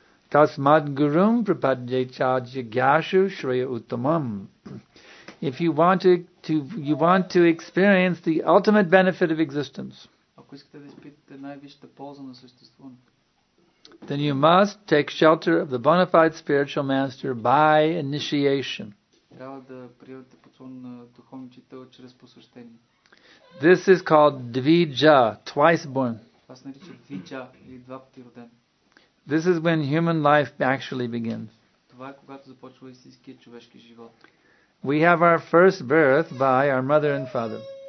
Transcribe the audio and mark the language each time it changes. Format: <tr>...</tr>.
<sa>Tasmad gurum prapadye cha jigyashu shreya uttamam.</sa> <en>If you want to experience the ultimate benefit of existence,</en> <bg>ако искате да изпитате най-висшата полза на съществуването,</bg> <en>then you must take shelter of the bona fide spiritual master by initiation.</en> <bg>Трябва да приемете подслон на духовния учител чрез посвещение.</bg> <en>This is called dvija, twice born.</en> <bg>Това се нарича dvija или два пъти роден.</bg> <en>This is when human life actually begins.</en> <bg>Това е когато започва истинският човешки живот.</bg> <en>We have our first birth by our mother and father.</en>